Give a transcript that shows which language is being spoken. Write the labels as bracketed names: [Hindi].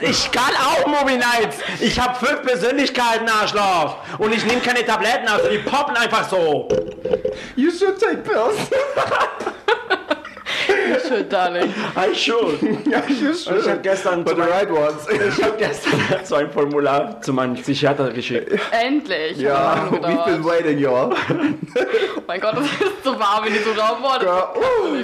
[German] Ich kann auch Movie Nights. Ich habe 5 Persönlichkeiten, Arschloch. Und ich nehme keine Tabletten, also die poppen einfach so. [English] You should take pills. You should, darling. I should. Yeah, you should. [German] Ich habe gestern, [English] but the right ones. [German] Ich habe gestern so ein Formular zu meinem Psychiater geschickt. Endlich. [English] Ja, yeah, we've been waiting, y'all. [German] Oh mein Gott, das ist so warm, wenn die so rauf wurde.